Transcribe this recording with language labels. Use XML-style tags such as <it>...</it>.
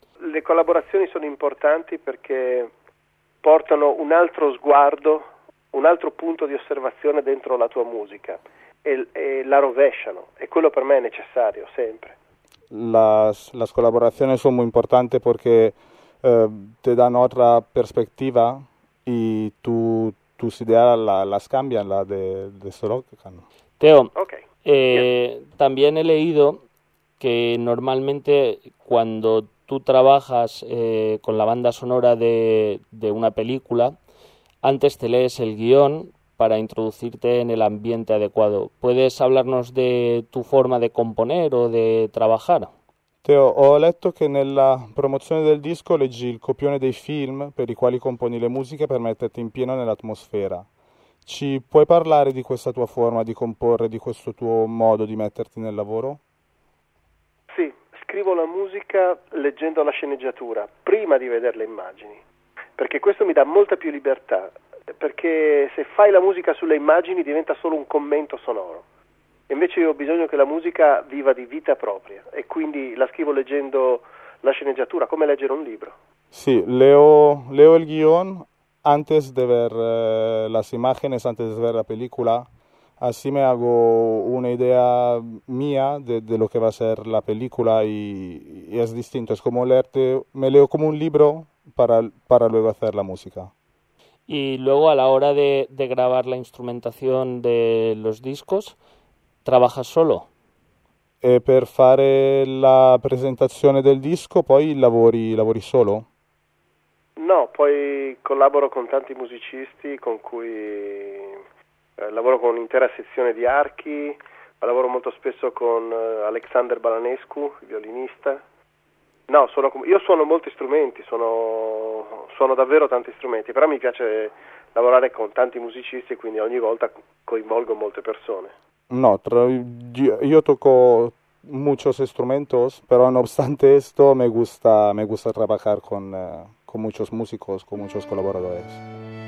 <it>Le collaborazioni sono importanti perché portano un altro sguardo, un altro punto di osservazione dentro la tua musica e la rovesciano, e quello per me è necessario sempre. Las collaborazioni sono molto importanti perché te danno un'altra prospettiva e</it> <es>tus ideas las cambian,</es> <it>la de Sorokin.</it> <es>Teo, también he leído que normalmente cuando tú trabajas con la banda sonora de una película, antes te lees el guión para introducirte en el ambiente adecuado. ¿Puedes hablarnos de tu forma de componer o de trabajar?</es> <it>Teo, ho letto che nella promozione del disco leggi il copione dei film per i quali componi le musiche per metterti in pieno nell'atmosfera. Ci puoi parlare di questa tua forma di comporre, di questo tuo modo di metterti nel lavoro? Sì, scrivo la musica leggendo la sceneggiatura, prima di vedere le immagini, perché questo mi dà molta più libertà, perché se fai la musica sulle immagini diventa solo un commento sonoro. Invece io ho bisogno che la musica viva di vita propria e quindi la scrivo leggendo la sceneggiatura, come leggere un libro.</it> <es>Sì, leo il guion antes de ver las imágenes, antes de ver la película. Así me hago una idea mía de lo que va a ser la película y es distinto. Es como leerte, me leo como un libro para luego hacer la música. Y luego a la hora de grabar la instrumentación de los discos, ¿trabajas solo?</es> <it>E per fare la presentazione del disco poi lavori solo? No, poi collaboro con tanti musicisti con cui lavoro con un'intera sezione di archi, lavoro molto spesso con Alexander Balanescu, violinista. No, io suono molti strumenti, suono davvero tanti strumenti, però mi piace lavorare con tanti musicisti, quindi ogni volta coinvolgo molte persone.</it> <es>No, yo toco muchos instrumentos, pero no obstante esto me gusta trabajar con muchos músicos, con muchos colaboradores.</es>